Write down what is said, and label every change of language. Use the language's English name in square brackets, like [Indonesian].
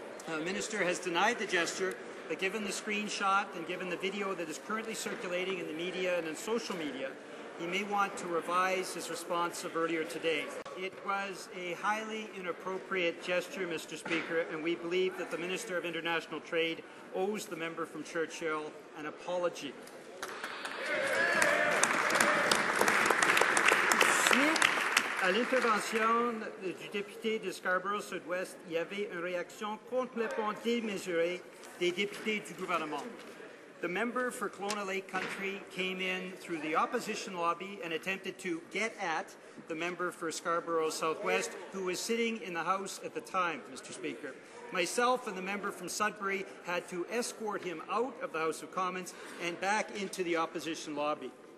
[English] The Minister has denied the gesture, but given the screenshot and given the video that is currently circulating in the media and in social media, he may want to revise his response of earlier today. It was a highly inappropriate gesture, Mr. Speaker, and we believe that the Minister of International Trade owes the member from Churchill an apology. [French] Suite à l'intervention du député de Scarborough Sud-Ouest, il y avait une réaction complètement démesurée des députés du gouvernement. [English] The member for Kelowna Lake Country came in through the opposition lobby and attempted to get at the member for Scarborough Southwest, who was sitting in the House at the time, Mr. Speaker. Myself and the member from Sudbury had to escort him out of the House of Commons and back into the opposition lobby.